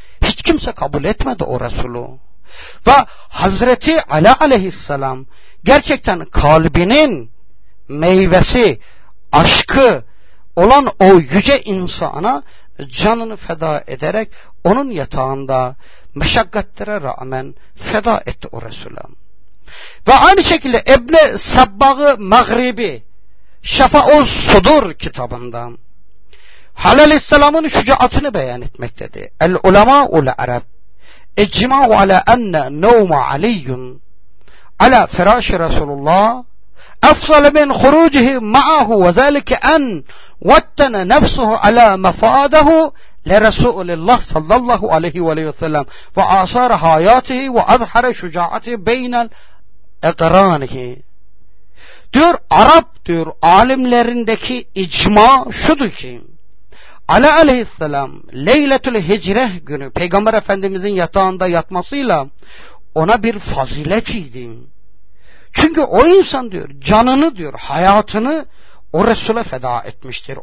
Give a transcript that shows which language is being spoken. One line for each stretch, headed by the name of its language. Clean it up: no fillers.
Turkish: Hiç kimse kabul etmedi o Resulü. Ve Hazreti Ali Aleyhisselam gerçekten kalbinin meyvesi, aşkı olan o yüce insana canını feda ederek onun yatağında meşakkatlere rağmen feda etti o Resul'a. Ve aynı şekilde Ebne Sabbağı Mağribi Şafaul Sudur kitabında Halaleyhisselam'ın şücaatını beyan etmektedir.
Arabic: El ulema ul arab icma'u ala enne nevma aliyyun ala firaşi Resulullah أفضل من خروجه معه وذلك أن وطن نفسه على مفاده لرسول الله صلى الله عليه وسلم وآثار حياته وأظهر شجاعته بين أقرانه.
Turkish: Diyor Arap diyor alimlerindeki icma şudur ki Ali Aleyhisselam Leyletül Hicreh günü Peygamber Efendimizin yatağında yatmasıyla ona bir fazilet idi. Çünkü o insan diyor canını diyor hayatını o Resul'e feda etmiştir.